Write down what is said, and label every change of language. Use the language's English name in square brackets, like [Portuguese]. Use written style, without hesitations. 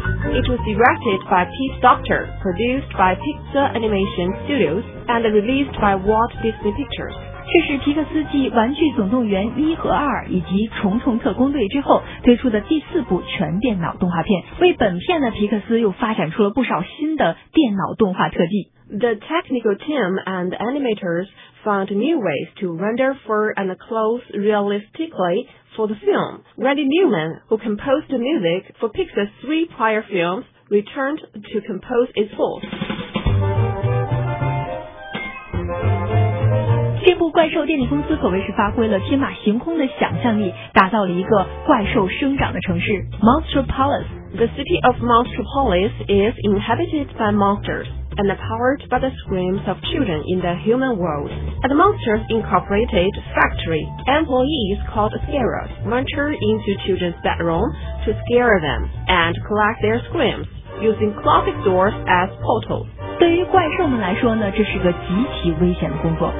[English] It was directed by Pete Docter, produced by Pixar Animation Studios, and released by Walt Disney Pictures. [Chinese] 这是皮克斯继《玩具总动员》一和二以及《虫虫特工队》之后推出的第四部全电脑动画片。为本片呢，皮克斯又发展出了不少新的电脑动画特技。 [English] The technical team and animators found new ways to render fur and clothes realistically for the film. Randy Newman, who composed the music for Pixar's three prior films, returned to compose its score. [Chinese] 这部怪兽电力公司可谓是发挥了天马行空的想象力，打造了一个怪兽生长的城市 Monsterpolis. [English] The city of Monsterpolis is inhabited by monsters. And powered by the screams of children in the human world. At the Monsters Incorporated factory, employees called Scarers venture into children's bedroom to scare them and collect their screams using closet doors as portals. [Chinese] 对于怪兽们来说呢，这是个极其危险的工作。